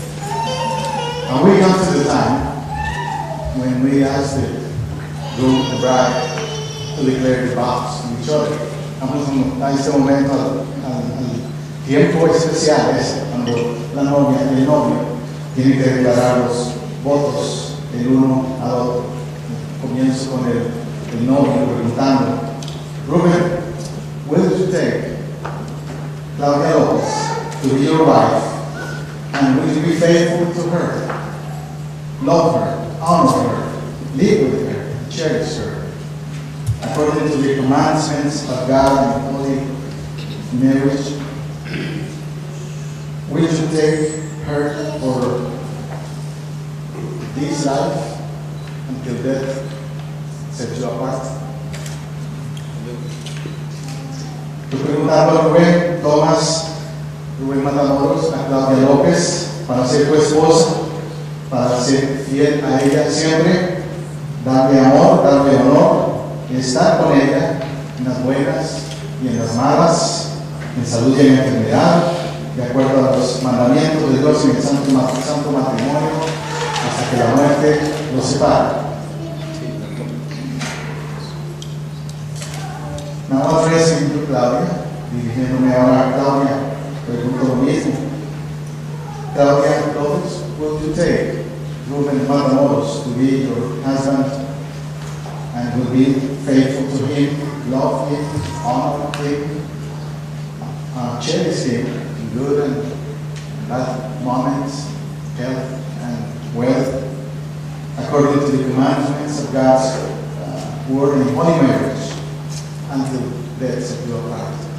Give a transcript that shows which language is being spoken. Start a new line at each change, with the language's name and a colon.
English: And we come to the time when we ask the groom and bride to declare the vows to each other.
Spanish: Estamos en este momento, el tiempo especial es cuando la novia y el novio tienen que declarar los votos del uno al otro. Comienzo con el novio preguntando,
English: Ruben, will you take Claudia López to be your wife? And will you be faithful to her? Love her, honor her, live with her, and cherish her, according to the commandments of God and holy marriage. Will you take her for this life until death sets you apart?
Spanish: Tu pregunta a Rubén, Tomás, Rubén Matamoros, a Claudia López, para ser tu esposa, para ser fiel a ella siempre, darle amor, darle honor, estar con ella en las buenas y en las malas, en salud y en enfermedad, de acuerdo a los mandamientos de Dios en el santo matrimonio, hasta que la muerte los separe. Nada más voy a decir, Claudia, dirigiéndome ahora a Claudia, pregunto lo mismo. Claudia, ¿todos?
English: ¿Will you take Ruben Matamoros to be your husband and will be faithful to him, love him, honor him, cherish him in good and bad moments, health and wealth, according to the commandments of God's word in holy marriage until death separates you apart?